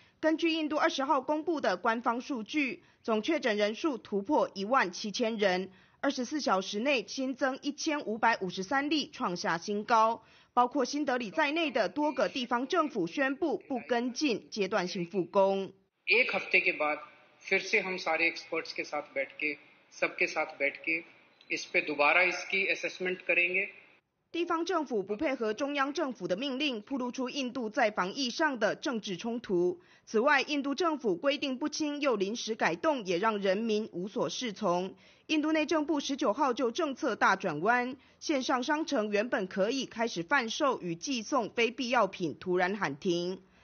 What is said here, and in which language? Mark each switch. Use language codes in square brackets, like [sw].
[zh] 根据印度20号公布的官方数据，总确诊人数突破17000人，24小时内新增1553例，创下新高。包括新德里在内的多个地方政府宣布不跟进阶段性复工。 [hi] फिर से हम सारे एक्सपर्ट्स के साथ बैठ के सबके साथ बैठ के इस पे दोबारा इसकी असेसमेंट करेंगे। [zh] 地方政府不配合中央政府的命令，暴露出印度在防疫上的政治冲突。此外，印度政府规定不清又临时改动，也让人民无所适从。印度内政部19号就政策大转弯，线上商城原本可以开始贩售与寄送非必要品，突然喊停。